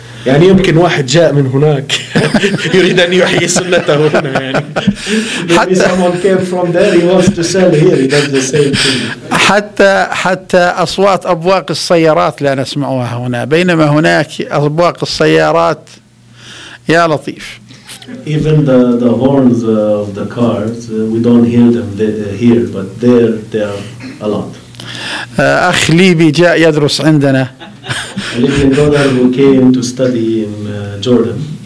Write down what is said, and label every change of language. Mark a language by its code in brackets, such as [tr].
[ar] يعني يمكن واحد جاء من هناك يريد أن يحيي سنته هنا يعني. حتى [en] someone came from there, he wants to sell here. He does the same thing. [ar] حتى أصوات أبواق السيارات لا نسمعها هنا، بينما هناك أبواق السيارات يا لطيف. [en] Even the horns of the cars we don't hear them here, but there are a lot. [ar] أخ ليبي جاء يدرس عندنا. [en] A Libyan brother who came to study in Jordan.